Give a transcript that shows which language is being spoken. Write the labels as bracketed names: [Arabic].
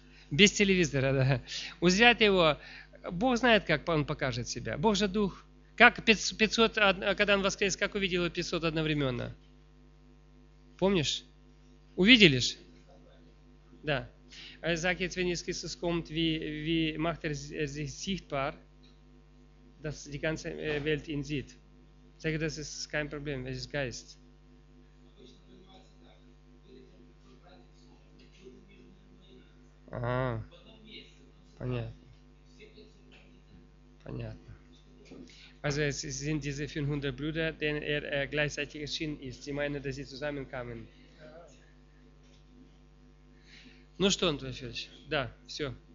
[Russian] Без телевизора, да. Узрять его, Бог знает, как он покажет себя. Бог же Дух. Как 500, когда он воскрес, как увидел 500 одновременно? Помнишь? Увидели ж? Да. [German] Sag jetzt, wenn Jesus kommt, wie macht sich sichtbar, dass die ganze Welt ihn sieht? Sag, das ist kein Problem, es ist Geist. [Russian] Ah. Понятно. [German] Also es sind diese 500 Brüder, denen er gleichzeitig erschienen ist. Sie meinen, dass sie zusammenkamen. [Russian] Ну что, Антон Федорович, да, все.